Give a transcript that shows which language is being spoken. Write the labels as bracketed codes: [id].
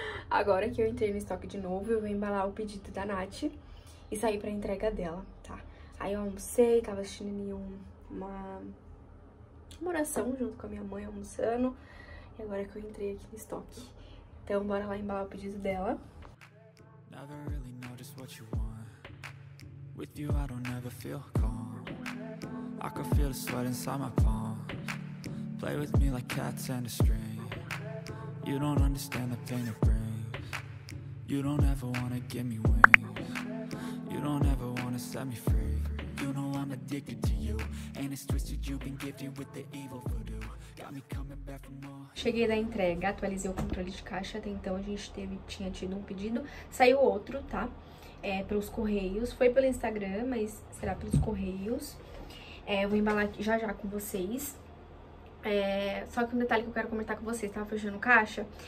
[pt] Agora que eu entrei no estoque de novo, eu vou embalar o pedido da Nath e sair pra entrega dela, tá? Aí eu almocei, tava assistindo uma oração junto com a minha mãe, almoçando. E agora que eu entrei aqui no estoque. Então, bora lá embalar o pedido dela. [en] Never really know just what you want. With you, I don't ever feel calm. I can feel the sweat inside my palms. Play with me like cats and a string. You don't understand the pain it brings. You don't ever wanna give me wings. You don't ever wanna set me free. You know I'm addicted to you. And it's twisted, you've been gifted with the evil voodoo. Got me coming back for more. [pt] Cheguei da entrega, atualizei o controle de caixa. Até então a gente tinha tido um pedido. Saiu outro, tá? É, pelos correios. Foi pelo Instagram, mas será pelos correios. É, eu vou embalar aqui já já com vocês. É, só que um detalhe que eu quero comentar com vocês, tava fechando caixa.